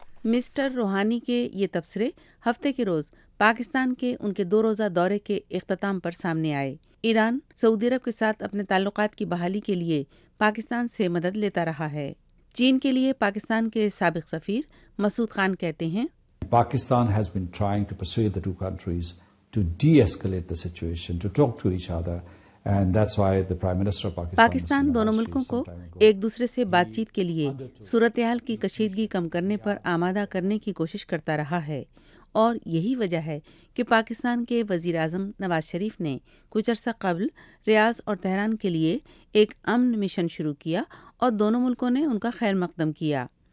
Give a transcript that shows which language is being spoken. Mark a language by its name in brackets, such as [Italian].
[Urdu] Mister روحانی کے یہ تبصرے ہفتے کے روز پاکستان کے ان کے 2 روزہ دورے کے اختتام پر سامنے آئے۔ ایران سعودی عرب کے ساتھ اپنے تعلقات کی بحالی کے لیے پاکستان سے مدد لیتا رہا ہے۔ چین کے لیے پاکستان کے سابق سفیر مسعود خان کہتے ہیں، [English] Pakistan has been trying to persuade the two countries to de-escalate the situation, to talk to each other, and that's why the Prime Minister of Pakistan... [Urdu] Pakistan دونوں ملکوں کو ایک دوسرے سے بات چیت کے لیے صورتحال کی کشیدگی کم کرنے پر آمادہ کرنے کی کوشش کرتا رہا ہے، اور یہی وجہ ہے کہ پاکستان کے وزیر اعظم نواز شریف نے کچھ عرصہ قبل ریاض اور تہران کے لیے ایک امن مشن شروع کیا اور دونوں ملکوں نے ان کا خیر مقدم کیا،